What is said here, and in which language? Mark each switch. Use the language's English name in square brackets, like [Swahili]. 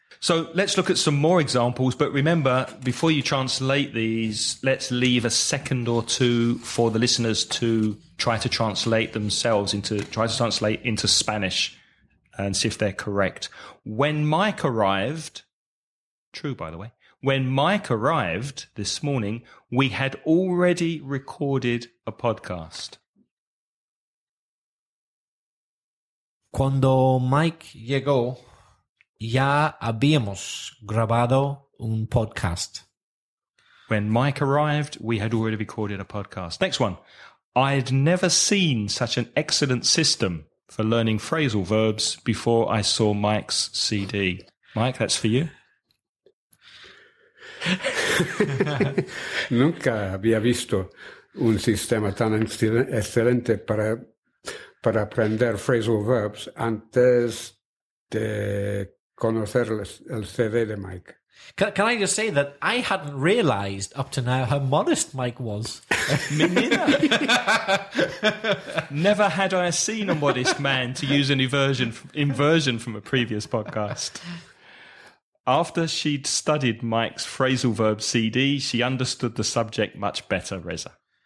[English] So let's look at some more examples. But remember, before you translate these, let's leave a second or two for the listeners to try to translate themselves into, try to translate into Spanish and see if they're correct. When Mike arrived, true, by the way, when Mike arrived this morning, we had already recorded a podcast. [Spanish] Cuando Mike llegó, ya habíamos grabado un podcast. [English] When Mike arrived, we had already recorded a podcast. Next one. I'd never seen such an excellent system for learning phrasal verbs before I saw Mike's CD. Mike, that's for you. [Spanish] Nunca había visto un sistema tan excelente para aprender phrasal verbs antes de conocer el CD de Mike. [English] Can I just say that I hadn't realized up to now how modest Mike was? Me neither. Never had I seen a modest man, to use an inversion from a previous podcast. After she'd studied Mike's phrasal verb CD, she understood the subject much better, Reza.